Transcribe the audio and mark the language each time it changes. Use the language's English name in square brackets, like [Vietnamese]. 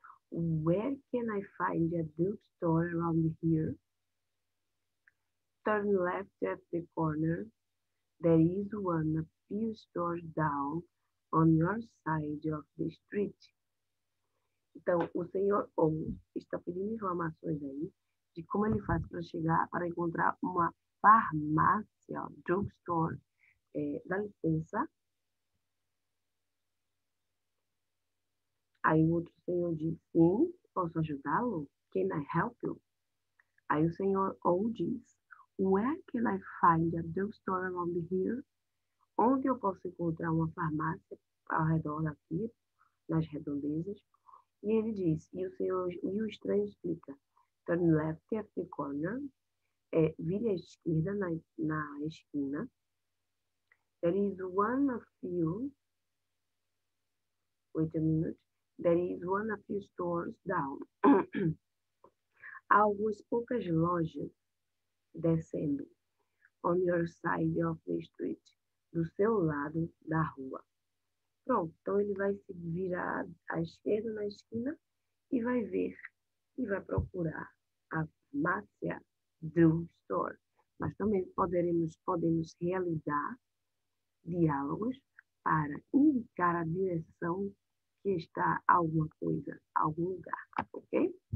[English] Where can I find a drugstore around here? Turn left at the corner. There is one a few stores down on your side of the street. [Portuguese] Então, o senhor O está pedindo informações aí de como ele faz para chegar para encontrar uma farmácia, drugstore, dá licença. Aí o outro senhor diz: Sim, posso ajudá-lo? [English] Can I help you? Aí o senhor O diz: Where can I find a drugstore around here? [Portuguese] Onde eu posso encontrar uma farmácia ao redor aqui, nas redondezas? E ele diz: E o senhor, e o estranho explica: [English] Turn left at the corner. [Portuguese] É, vire à esquerda, na esquina. [English] There is one of you. Wait a minute. There is one of you stores down. [Portuguese] Há algumas poucas lojas descendo. [English] On your side of the street. [Portuguese] Do seu lado da rua. Pronto. Então ele vai se virar à esquerda, na esquina, e vai ver, e vai procurar a farmácia drugstore. Mas também podemos realizar diálogos para indicar a direção que está alguma coisa, algum lugar, ok?